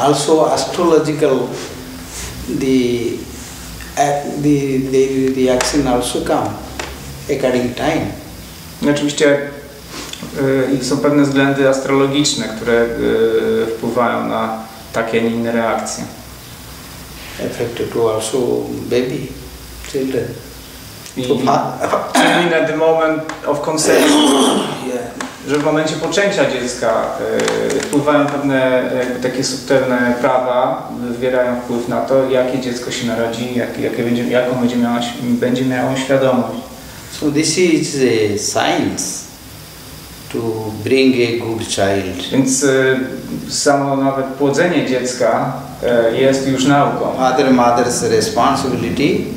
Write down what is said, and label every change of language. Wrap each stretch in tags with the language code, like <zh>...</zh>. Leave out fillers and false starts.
<en>Also astrological, the action also come according time.</en> <pl>Oczywiście są pewne względy astrologiczne, które wpływają na takie nie inne reakcje.</pl> <en>Effect to also baby, children. I at the moment of conception. Yeah.</en> <pl>Że w momencie poczęcia dziecka wpływają pewne jakby takie subtelne prawa, wywierają wpływ na to, jakie dziecko się narodzi, jaką będzie miało świadomość.</pl> <en>So this is a science to bring a good child.</en> <pl>Więc samo nawet płodzenie dziecka jest już nauką.</pl> <en>Other mother's responsibility.</en>